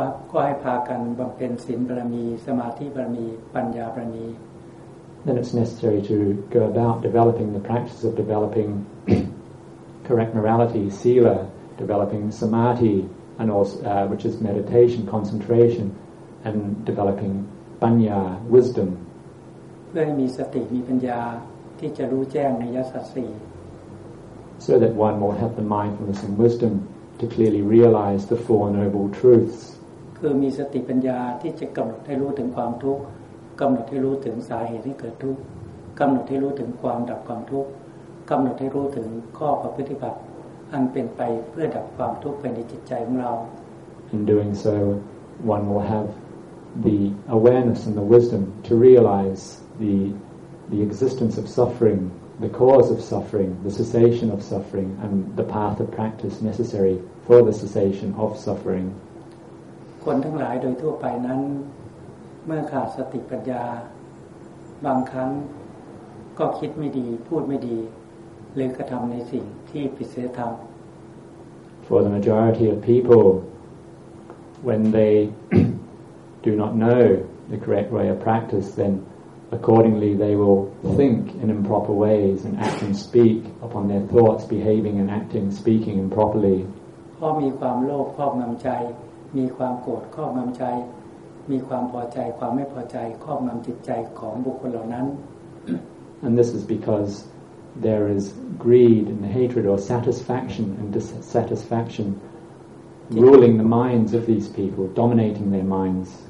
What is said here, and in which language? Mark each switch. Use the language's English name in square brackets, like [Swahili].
[Thai] ก็ให้พากันบำเพ็ญศีลบารมีสมาธิบารมีปัญญาบารมี [English] then it's necessary to go about developing the practice of developingcorrect morality, sila, developing samadhi, and also, which is meditation, concentration, and developing panya, wisdom. So that one will have the mindfulness and wisdom to clearly realize the Four Noble Truths. [Thai] คือมีสติปัญญาที่จะกำหนดให้รู้ถึงความทุกข์กำหนดให้รู้ถึงสาเหตุที่เกิดทุกข์กำหนดให้รู้ถึงความดับความทุกข์กำหนดให้รู้ถึงข้อประพฤติบัติอันเป็นไปเพื่อดับความทุกข์ภายในจิตใจของเรา [English] In doing so, one will have the awareness and the wisdom to realize the existence of suffering, the cause of suffering, the cessation of suffering, and the path of practice necessary for the cessation of suffering. [Thai] คนทั้งหลายโดยทั่วไปนั้นเมื่อขาดสติปัญญาบางครั้งก็คิดไม่ดีพูดไม่ดีหรือกระทำในสิ่งที่ผิดศีลธรรม [English] For the majority of people, when they do not know the correct way of practice, then accordingly they will think in improper ways and act and speak upon their thoughts, behaving and acting, speaking improperly. [Thai] เพราะมีความโลภครอบงำใจมีความโกรธครอบงำใจมีความพอใจความไม่พอใจครอบงำจิตใจของบุคคลเหล่านั้น [English] And this is becauseThere is greed and hatred or satisfaction and dissatisfaction ruling the minds of these people, dominating their minds.